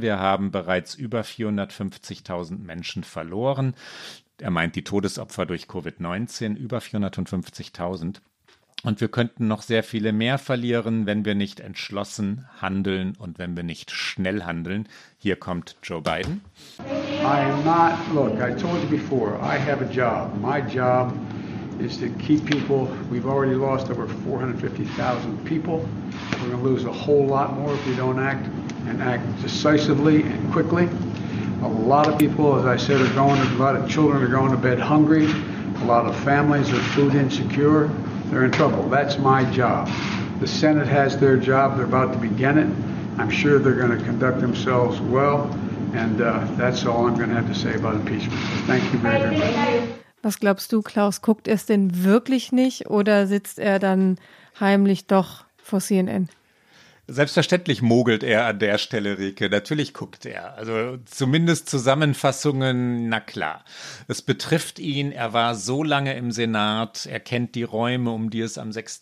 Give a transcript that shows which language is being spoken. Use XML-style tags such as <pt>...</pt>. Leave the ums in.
<de>Wir haben bereits über 450.000 Menschen verloren. Er meint die Todesopfer durch Covid-19, über 450.000. Und wir könnten noch sehr viele mehr verlieren, wenn wir nicht entschlossen handeln und wenn wir nicht schnell handeln. Hier kommt Joe Biden.</de> <en>I am not, look, I told you before, I have a job. My job is to keep people. We've already lost over 450,000 people. We're going to lose a whole lot more if we don't act and act decisively and quickly. A lot of people, as I said, are going. A lot of children are going to bed hungry. A lot of families are food insecure. They're in trouble. That's my job. The Senate has their job. They're about to begin it. I'm sure they're going to conduct themselves well. And uh, that's all I'm going to have to say about impeachment. So thank you very, hi, very much. Hi.</en> <de>Was glaubst du, Klaus, guckt er es denn wirklich nicht oder sitzt er dann heimlich doch vor CNN? Selbstverständlich mogelt er an der Stelle, Rike. Natürlich guckt er. Also zumindest Zusammenfassungen, na klar. Es betrifft ihn. Er war so lange im Senat. Er kennt die Räume, um die es am 6.</de>